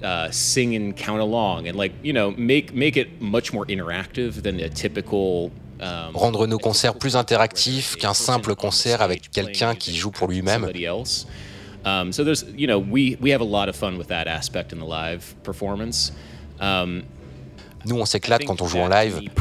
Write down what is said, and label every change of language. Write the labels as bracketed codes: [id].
[en] Sing and count along and, like, you know, make it much more interactive than a typical. [fr] Rendre nos concerts plus interactifs qu'un simple concert avec quelqu'un qui joue pour lui-même. [en] So there's, you know, we have a lot of fun with that aspect in the live performance. [fr] Nous, on s'éclate quand on joue en live.